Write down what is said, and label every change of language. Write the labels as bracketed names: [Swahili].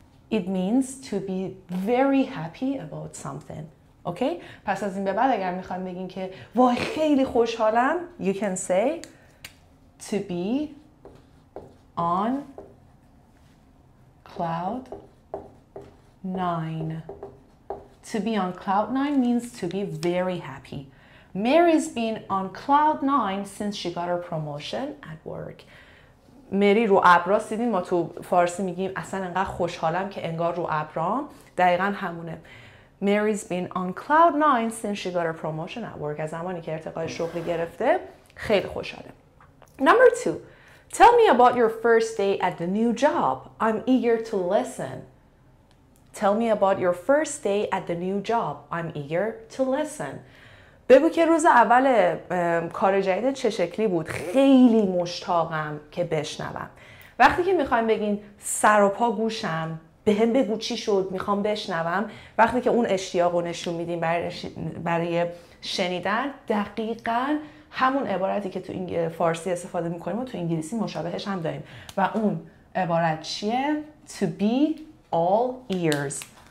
[English] It means to be very happy about something. Okay? [Persian] پس از این به بعد اگر میخوایم بگیم که وای خیلی خوشحالم، [English] you can say to be on cloud nine. To be on cloud nine means to be very happy. Mary's been on cloud nine since she got her promotion at work. [Persian] مری رو ابراست. دیدین ما تو فارسی میگیم اصلا انقدر خوشحالم که انگار رو ابرام، دقیقا همونه. [English] Mary's been on cloud nine since she got her promotion at work. [Persian] از زمانی که ارتقای شغلی گرفته خیلی خوشحاله. [English] Number two. Tell me about your first day at the new job. I'm eager to listen. Tell me about your first day at the new job. I'm eager to listen. [Persian] بگو که روز اول کار جدید چه شکلی بود؟ خیلی مشتاقم که بشنوم. وقتی که میخوایم بگین سر و پا گوشم، به هم بگو چی شد، میخوام بشنوم، وقتی که اون اشتیاق رو نشون میدیم برای شنیدن، دقیقا همون عبارتی که تو فارسی استفاده میکنیم و تو انگلیسی مشابهش هم داریم و اون عبارت چیه؟ [English] To be all ears.